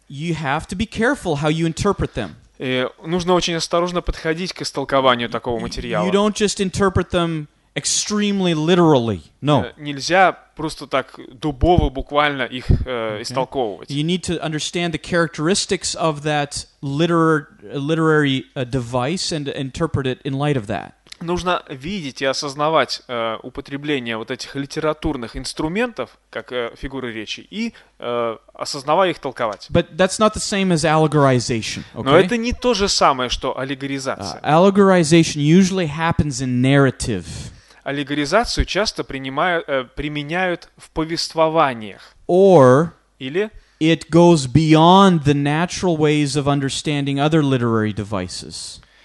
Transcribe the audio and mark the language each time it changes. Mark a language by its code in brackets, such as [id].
[en] You have to be careful how you interpret them. [ru] Нужно очень осторожно подходить к истолкованию такого материала. [en] You don't just interpret them extremely literally. No. [ru] Нельзя просто так дубово буквально их истолковывать. [en] You need to understand the characteristics of that literary device and interpret it in light of that. [ru] Нужно видеть и осознавать употребление вот этих литературных инструментов, как фигуры речи, и осознавая их, толковать. [en] But that's not the same as allegorization, okay? [ru] Но это не то же самое, что аллегоризация. [en] Allegorization usually happens in narrative. [ru] Аллегоризацию часто применяют в повествованиях. [en] Or [ru] или [en] it goes beyond the natural ways of understanding other literary devices.